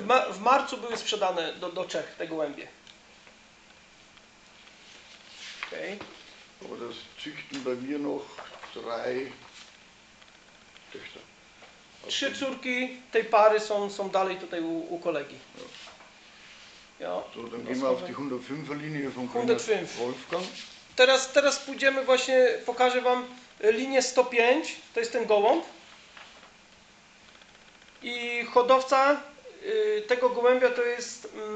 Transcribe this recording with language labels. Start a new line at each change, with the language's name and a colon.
Polish: W marcu były sprzedane do Czech te gołębie. Okej. Okay.
German: Aber das züchten bei mir noch drei Töchter.
Polish: Trzy córki tej pary są dalej tutaj u kolegi.
German: Ja. To dann gehen wir auf die 105 Linie von Konrad Wolfgang.
Polish: Teraz pójdziemy właśnie, pokażę wam linię 105, to jest ten gołąb. I hodowca tego gołębia to jest